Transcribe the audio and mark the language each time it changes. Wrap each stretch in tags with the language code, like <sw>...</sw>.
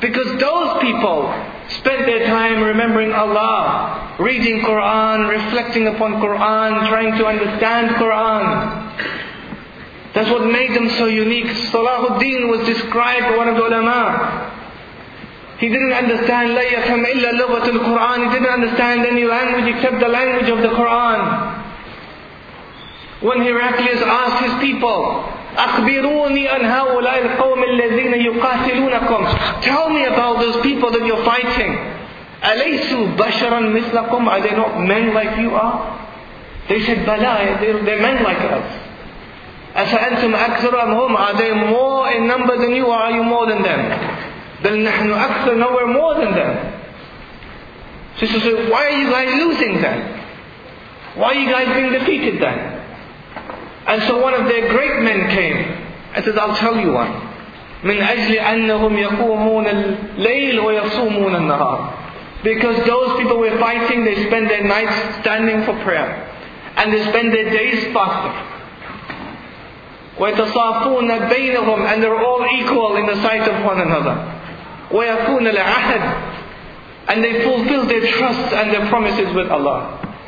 <en>Because those people spent their time remembering Allah, reading Quran, reflecting upon Quran, trying to understand Quran. That's what made them so unique. Salahuddin was described by one of the ulama. He didn't understand</en> <ar>لا يفهم إلا لغة القرآن.</ar> <en>He didn't understand any language except the language of the Quran. When Heraclius asked his people,</en> <ar>أخبروني عن هؤلاء القوم الذين يقاتلونكم.</ar> <en>Tell me about those people that you're fighting.</en> <ar>أليسوا بشرا مثلكم.</ar> <en>Are they not men like you are? They said, بلى, they're men like us.</en> <ar>أفأنتم أكثر أم هم.</ar> <en>Are they more in number than you, or are you more than them?</en> <ar>بل نحن أكثر.</ar> <en>No, we're more than them. So why are you guys losing then? Why are you guys being defeated then? And so one of their great men came and said, I'll tell you one.</en> <ar>من أجل أنهم يقومون الليل ويصومون النهار.</ar> <en>Because those people were fighting, they spend their nights standing for prayer, and they spend their days fasting.</en> <ar>ويتصافون بينهم.</ar> <en>And they're all equal in the sight of one another.</en> <ar>ويكون العهد.</ar> <en>And they fulfill their trust and their promises with Allah.</en>